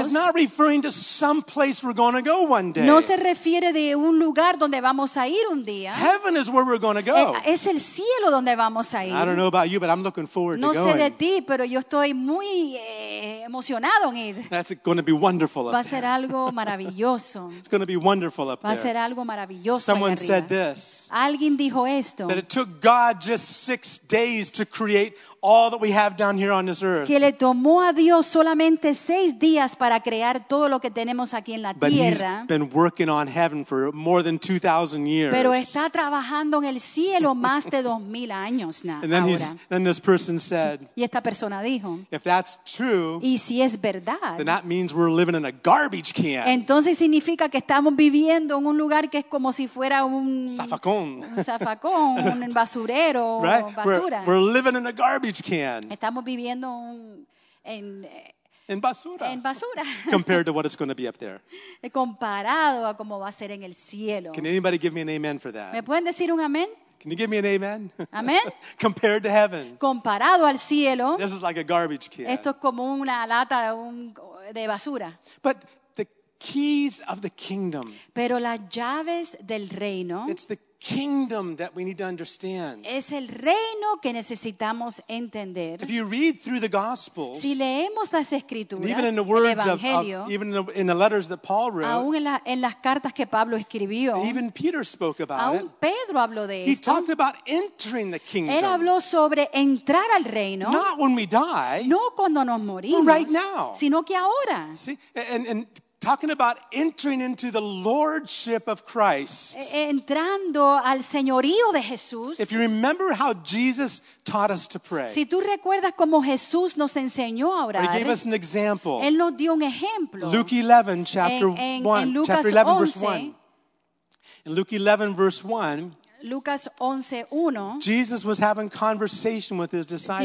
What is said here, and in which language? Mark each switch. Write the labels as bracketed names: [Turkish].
[English] is not referring to some place we're going to go one day. [Spanish] No se refiere de un lugar donde vamos a ir un día. [English] Heaven is where we're going to go. [Spanish] Es el cielo donde vamos a ir. [English] I don't know about you, but I'm looking forward [Spanish] no [English] to [Spanish] sé [English] going. [Spanish] De ti, pero yo estoy muy emocionado en ir. [English] That's going to be wonderful up [Spanish] va a ser algo maravilloso. [English] It's going to be wonderful up [Spanish] va a ser [English] there. [Spanish] Algo maravilloso [English] someone said this. [Spanish] Alguien dijo esto. [English] That it took God just 6 days to create all that we have down here on this earth. [Spanish] Que le tomó a Dios solamente 6 días para crear todo lo que tenemos aquí en la [English] but [Spanish] tierra. [English] But he's been working on heaven for more than 2,000 years. [Spanish] Pero está trabajando en el cielo más de 2,000 años now. [English] And then, then this person said, [Spanish] y esta persona dijo, [English] if that's true, [Spanish] y si es verdad, [English] then that means we're living in a garbage can. [Spanish] Entonces significa que estamos viviendo en un lugar que es como si fuera un zafacón. Zafacón, un basurero, [English] right? [Spanish] Basura. [English] We're living in a garbage can. [Spanish] Estamos viviendo en basura. En basura. [English] Compared to what it's going to be up there. [Spanish] Comparado a cómo va a ser en el cielo. [English] Can anybody give me an amen for that? [Spanish] ¿Me pueden decir un amén? [English] Can you give me an amen? [Spanish] Amen. [English] Compared to heaven. [Spanish] Comparado al cielo. [English] This is like a garbage can. [Spanish] Esto es como una lata de basura. [English] But the keys of the kingdom. [Spanish] Pero las llaves del reino. [English] It's the kingdom that we need to understand. [Spanish] Es el reino que necesitamos entender. [English] If you read through the Gospels, [Spanish] si leemos las escrituras, [English] even in the words [Spanish] el Evangelio, [English] of even in the letters that Paul wrote, [Spanish] aún en las cartas que Pablo escribió, [English] even Peter spoke about [Spanish] aún Pedro habló de [English] it. [Spanish] Esto. [English] He talked about entering the kingdom. [Spanish] Él habló sobre entrar al reino. [English] Not when we die. [Spanish] No cuando nos morimos. [English] But right now. [Spanish] Sino que ahora. [English] See? And talking about entering into the lordship of Christ. [Spanish] Entrando al señorío de Jesús. [English] If you remember how Jesus taught us to pray. [Spanish] Si tú recuerdas cómo Jesús nos enseñó a orar. [English] He gave us an example. [Spanish] Él nos dio un ejemplo. [English] Luke 11, chapter 1. [Spanish] En Lucas [English] chapter 11, [Spanish] 11, [English] verse 1. In Luke 11, verse 1. [Spanish] Lucas 11:1. [English] Jesus was having conversation with his disciples.